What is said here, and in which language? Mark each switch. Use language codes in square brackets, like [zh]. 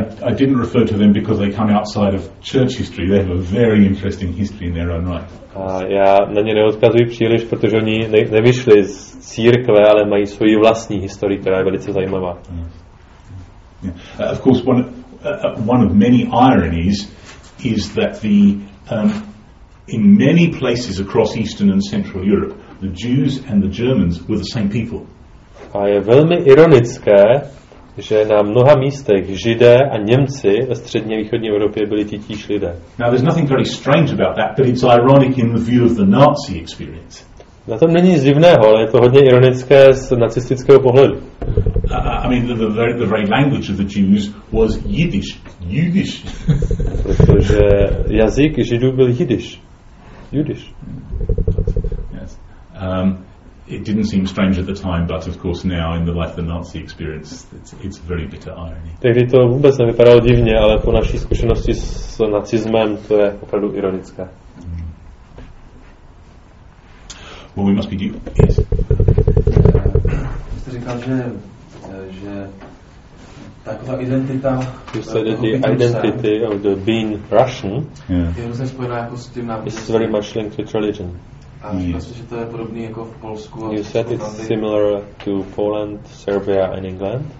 [en] I didn't refer to them because they come outside of church history. They have a very interesting history in their own right. [cs] Já na ně neodkazuji příliš, protože oni nevyšli z církve, ale mají svoji vlastní historii, která je velice zajímavá. [en] Of course, one of many ironies is that the in many places across Eastern and Central Europe, the Jews and the Germans were the same people. [cs] A je velmi ironické, že na mnoha místech Židé a Němci ve střední a východní Evropě byli titíž lidé. [en] Now there's nothing very strange about that, but it's ironic in the view of the Nazi experience. [cs] Na tom není nic divného, ale je to hodně ironické z nacistického pohledu. [en] A mean, the very language of the Jews was Yiddish. Yiddish. [cs] Protože jazyk Židů byl Yiddish. [en] Yiddish. Yes. It didn't seem strange at the time, but of course now, in the light of the Nazi experience, it's a very bitter irony. [cs] Tehdy to vůbec nevypadalo divně, ale po naší zkušenosti s nacismem to je opravdu ironické. [en] Well, we must be deep. Yes. [cs] Jste říkal, že taková identita, [en] you said that the identity of the being Russian, [cs] yeah, je spojená jako s tím náboženstvím. [en] It's very much linked with religion. Yes. You said it's similar to Poland, Serbia and England.